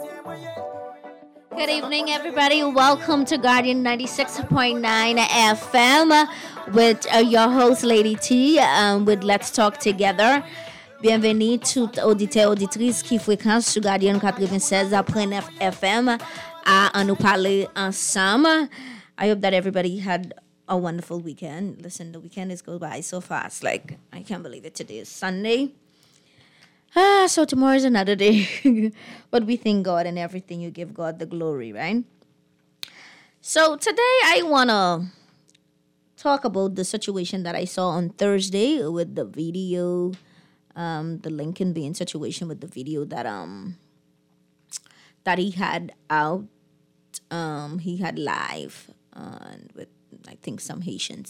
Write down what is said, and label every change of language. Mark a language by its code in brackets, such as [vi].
[en] Welcome to Guardian 96.9 FM with your host, Lady T, with Let's Talk Together. [fr] Bienvenue tout auditeur auditrice qui fréquente sur Guardian 96.9 FM à nous parler ensemble. [en] I hope that everybody had a wonderful weekend. Listen, the weekend is going by so fast. Like, I can't believe it. Today is Sunday. So tomorrow is another day. But we thank God in everything. You give God the glory, right? So today I want to talk about the situation that I saw on Thursday with the video, the Lincoln Bean situation with the video that that he had out, he had live with I think some Haitians.